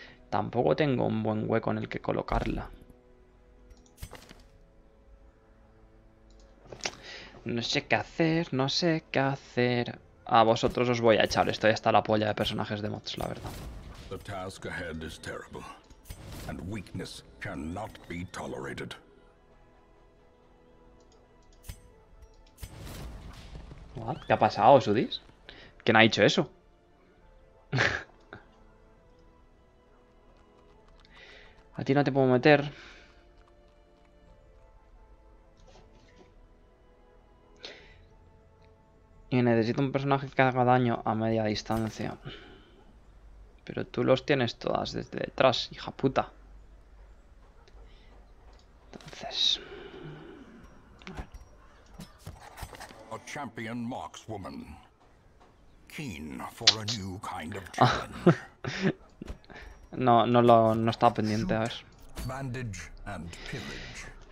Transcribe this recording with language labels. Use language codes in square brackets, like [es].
[es] Tampoco tengo un buen hueco en el que colocarla. No sé qué hacer, no sé qué hacer. A vosotros os voy a echar. Estoy hasta la polla de personajes de mods, la verdad. [en] The task ahead is terrible, and weakness cannot be tolerated. [es] What? ¿Qué ha pasado, Sudis? ¿Quién ha dicho eso? A ti no te puedo meter. Y necesito un personaje que haga daño a media distancia. Pero tú los tienes todas desde detrás, hija puta. Entonces... [en] A champion markswoman. Keen for a new kind of challenge. [es] No, no estaba pendiente, a ver. [en] Shoot, bandage and pillage.